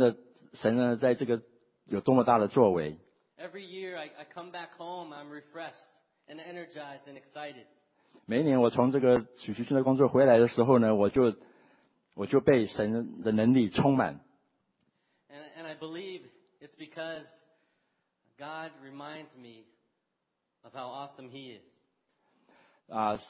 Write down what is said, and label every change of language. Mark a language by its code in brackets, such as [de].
[zh] 可是呢，这个我自己也提醒我自己，这个神呢，在这个有多么大的作为 [en] ？Every year, I come back home, I'm refreshed and energized and excited. [zh] 每一年我从这个暑期宣教工作回来的时候呢，我就被神的能力充满。 [en] And I believe it's because God reminds me of how awesome He is.